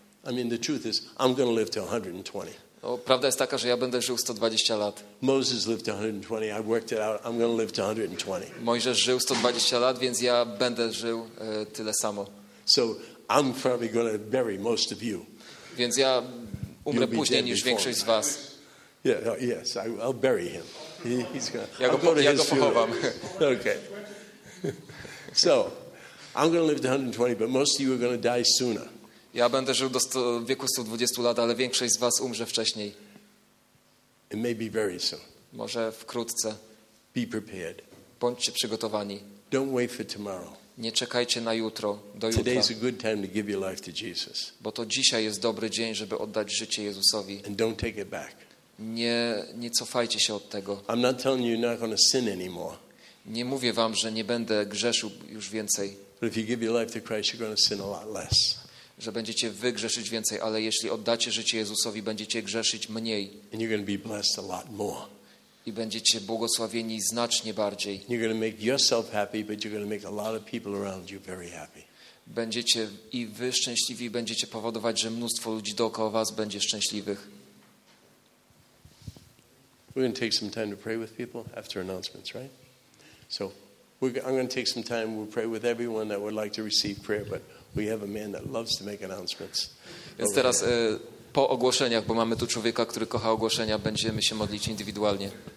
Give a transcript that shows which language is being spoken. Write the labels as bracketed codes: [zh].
[en] I mean, the truth is, I'm going to live to 120. [pl] No, prawda jest taka, że ja będę żył 120 lat. [en] Moses lived to 120. I worked it out. I'm going to live to 120. [pl] Mojżesz żył 120 lat, więc ja będę żył tyle samo. [en] So I'm probably going to bury most of you. [pl] Więc ja umrę później niż większość z was. [en] Yeah, no, yes, I'll bury him. He's gonna, [pl] ja go, [en] I'll [pl] go, ja go pochowam. [en] Okay. So I'm going to live to 120, but most of you are going to die sooner. [pl] Ja będę żył do wieku 120 lat, ale większość z was umrze wcześniej. [en] It may be very soon. [pl] Może wkrótce. [en] Be prepared. [pl] Bądźcie przygotowani. [en] Don't wait for tomorrow. [pl] Nie czekajcie na jutro, do jutra. [en] Today is a good time to give your life to Jesus. [pl] Bo to dzisiaj jest dobry dzień, żeby oddać życie Jezusowi. [en] And don't take it back. [pl] Nie cofajcie się od tego. [en] I'm not telling you you're not going to sin anymore. [pl] Nie mówię wam, że nie będę grzeszył już więcej. [en] But if you give your life to Christ, you're going to sin a lot less. [pl] Że będziecie wy grzeszyć więcej, ale jeśli oddacie życie Jezusowi, będziecie grzeszyć mniej. [en] And you're going to be blessed a lot more. [pl] I będziecie błogosławieni znacznie bardziej. [en] You're going to make yourself happy, but you're going to make a lot of people around you very happy. [pl] Będziecie i wy szczęśliwi, będziecie powodować, że mnóstwo ludzi dookoła was będzie szczęśliwych. [en] We're going to take some time to pray with people after announcements, right? So I'm going to take some time, we'll pray with everyone that would like to receive prayer, but we have a man that loves to make announcements. [pl] Więc teraz po ogłoszeniach, bo mamy tu człowieka, który kocha ogłoszenia, będziemy się modlić indywidualnie.